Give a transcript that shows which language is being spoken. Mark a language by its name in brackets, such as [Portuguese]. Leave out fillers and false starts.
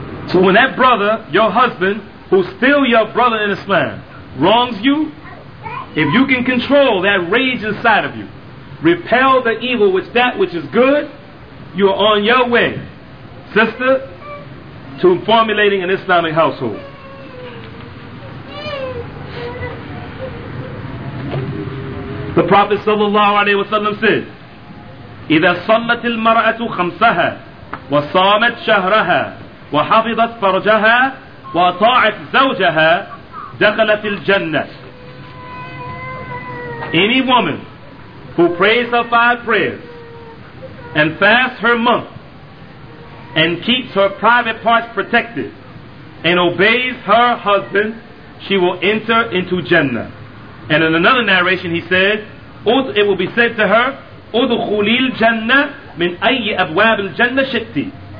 [English] So when that brother, your husband, who's still your brother in Islam, wrongs you, if you can control that rage inside of you, repel the evil with that which is good, you are on your way, sister, to formulating an Islamic household. The Prophet sallallahu alaihi wasallam said, [Arabic] إِذَا صَلَّتِ الْمَرْأَةُ خَمْسَهَا وَصَامَتْ شَهْرَهَا وَحَفِظَتْ فَرْجَهَا وَطَاعَتْ زَوْجَهَا دَخَلَتْ الْجَنَّةِ. [English] Any woman who prays her 5 prayers and fasts her month and keeps her private parts protected and obeys her husband, she will enter into Jannah. And in another narration he says, it will be said to her, [Arabic] أُدْخُلِي الْجَنَّةِ مِنْ أَيِّ أَبْوَابِ الْجَنَّةِ شِئْتِ.